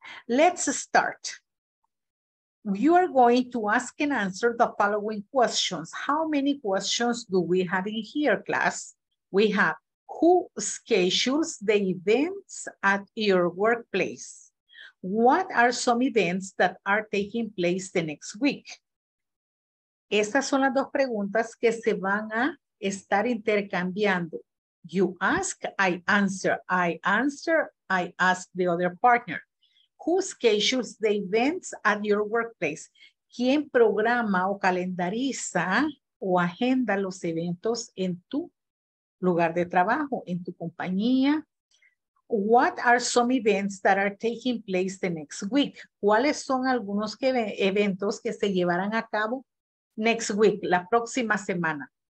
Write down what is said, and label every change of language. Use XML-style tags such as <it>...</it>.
<en>Let's start. You are going to ask and answer the following questions. How many questions do we have in here, class? We have, who schedules the events at your workplace? What are some events that are taking place the next week?</en> <es>Estas son las dos preguntas que se van a estar intercambiando.</es> <en>You ask, I answer. I answer, I ask the other partner. Who schedules the events at your workplace?</en> <es>¿Quién programa o calendariza o agenda los eventos en tu lugar de trabajo, en tu compañía?</es> <en>What are some events that are taking place the next week?</en> <es>¿Cuáles son algunos eventos que se llevarán a cabo</es> <en>next week,</en> <es>la próxima semana?</es>